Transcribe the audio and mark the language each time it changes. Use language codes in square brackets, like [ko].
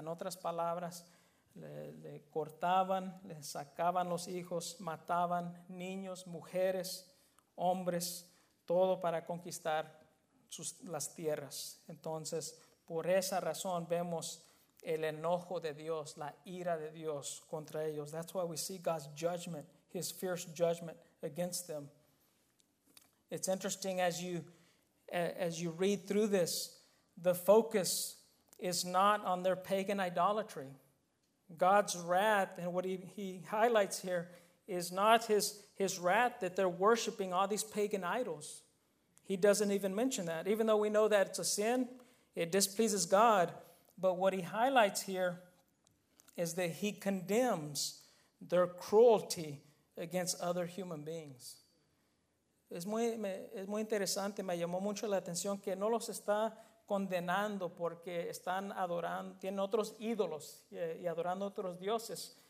[es] En otras palabras, le cortaban, le sacaban los hijos, mataban niños, mujeres, hombres, todo para conquistar las tierras. Entonces, por esa razón vemos el enojo de Dios, la ira de Dios contra ellos. [en] That's why we see God's judgment, his fierce judgment against them. It's interesting as you read through this, the focus is not on their pagan idolatry. God's wrath, and what he highlights here, is not his wrath that they're worshiping all these pagan idols. He doesn't even mention that. Even though we know that it's a sin, it displeases God. But what he highlights here is that he condemns their cruelty against other human beings. [es] Es muy interesante, me llamó mucho la atención que no los está condenando porque están adorando, tienen otros ídolos y adorando otros dioses.